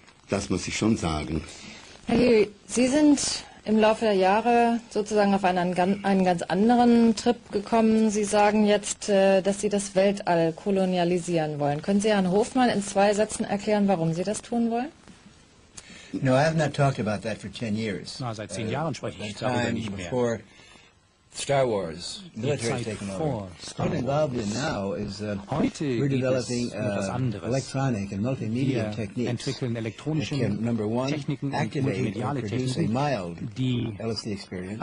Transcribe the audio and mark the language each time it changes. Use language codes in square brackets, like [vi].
[de] Das muss ich schon sagen. Herr Lee, Sie sind im Laufe der Jahre sozusagen auf einen ganz anderen Trip gekommen. Sie sagen jetzt, dass Sie das Weltall kolonialisieren wollen. Können Sie Herrn Hofmann in zwei Sätzen erklären, warum Sie das tun wollen? [en] No, I have not talked about that for 10 years. [de] Na, seit 10 Jahren spreche ich darüber nicht mehr. [en] Before Star Wars, military has taken over. What involved in now is we're developing electronic and multimedia techniques. [de] Entwickeln elektronische Techniken, [en] number one, activate and produce a mild LSD experience.